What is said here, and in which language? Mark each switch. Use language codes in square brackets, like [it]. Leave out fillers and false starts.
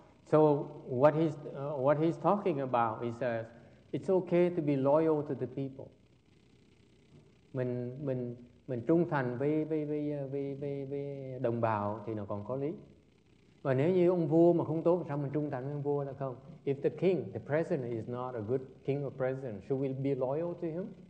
[en] So what he's talking about, he says, it's okay to be loyal to the people. [vi] Mình trung thành với đồng bào thì nó còn có lý. Và nếu như ông vua mà không tốt, sao mình trung thành với ông vua là không? [en] If the king, the president is not a good king or president, should we be loyal to him?